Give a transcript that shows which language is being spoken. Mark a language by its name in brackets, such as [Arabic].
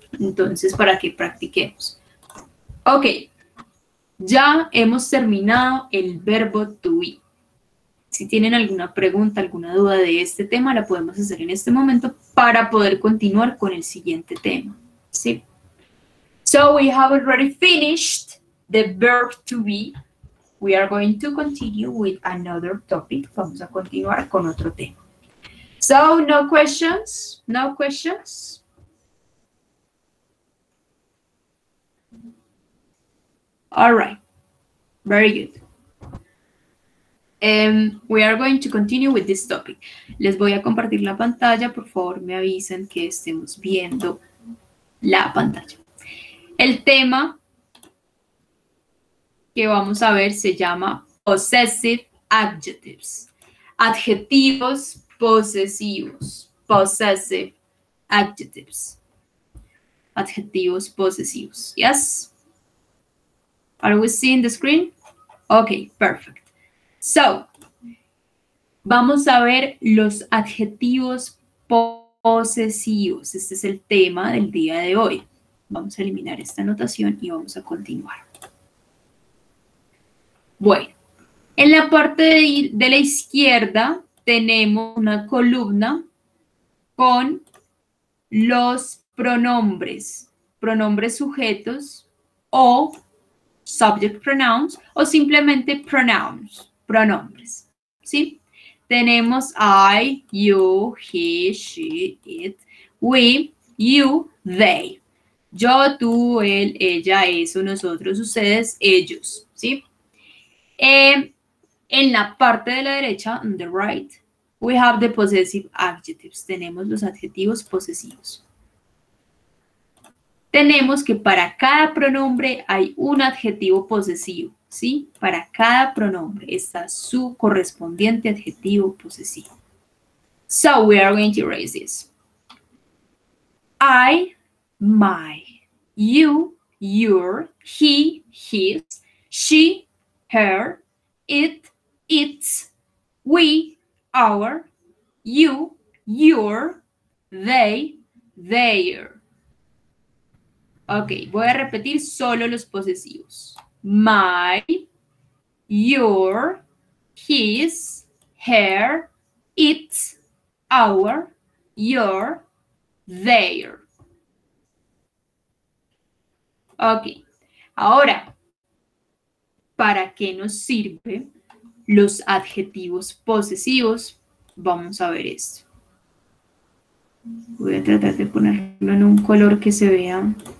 [Spanish] Entonces, para que practiquemos. Ok, ya hemos terminado el verbo to be. Si tienen alguna pregunta, alguna duda de este tema, la podemos hacer en este momento para poder continuar con el siguiente tema, ¿sí? [English] So we have already finished the verb to be, we are going to continue with another topic. [Spanish] Vamos a continuar con otro tema. [English] So, no questions? No questions? All right. Very good. We are going to continue with this topic. [Spanish] Les voy a compartir la pantalla. Por favor, me avisen que estemos viendo la pantalla. El tema que vamos a ver se llama possessive adjectives. Adjetivos posesivos. Possessive adjectives. Adjetivos posesivos. [English] Yes? Are we seeing the screen? Okay, perfect. [Spanish] So, vamos a ver los adjetivos posesivos. Este es el tema del día de hoy. Vamos a eliminar esta anotación y vamos a continuar. Bueno, en la parte de la izquierda tenemos una columna con los pronombres, pronombres sujetos o subject pronouns o simplemente pronouns, pronombres, ¿sí? Tenemos [English] I, you, he, she, it, we, you, they. [Spanish] Yo, tú, él, ella, eso, nosotros, ustedes, ellos, ¿sí? En la parte de la derecha, [English] on the right, we have the possessive adjectives. [Spanish] Tenemos los adjetivos posesivos. Tenemos que para cada pronombre hay un adjetivo posesivo, ¿sí? Para cada pronombre está su correspondiente adjetivo posesivo. [English] So, we are going to erase this. I, my, you, your, he, his, she, her, it, its, we, our, you, your, they, their. Ok, [Spanish] voy a repetir solo los posesivos. [English] My, your, his, her, its, our, your, their. [Spanish] Ok, ahora, ¿para qué nos sirven los adjetivos posesivos? Vamos a ver esto. Voy a tratar de ponerlo en un color que se vea.